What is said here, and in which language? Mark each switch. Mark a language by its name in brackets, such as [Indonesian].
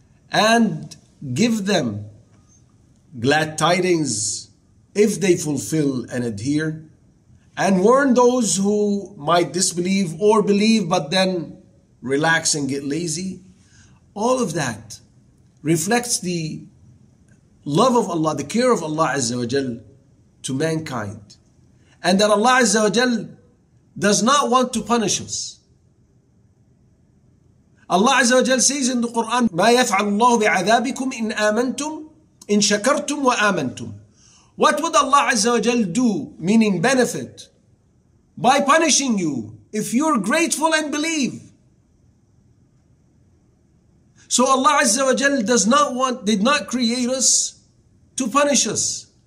[English] and give them glad tidings if they fulfill and adhere, and warn those who might disbelieve or believe but then relax and get lazy, all of that reflects the love of Allah, the care of Allah Azza wa Jal to mankind. And that Allah Azza wa Jal does not want to punish us. [Arabic] Allah Azza wa Jal says in the Quran, مَا يَفْعَلُ اللَّهُ بِعَذَابِكُمْ إِنْ آمَنْتُمْ إِنْ شَكَرْتُمْ وَآمَنْتُمْ. [English] What would Allah Azza wa Jal do, meaning benefit, by punishing you if you're grateful and believe? So Allah Azza wa Jal did not create us to punish us.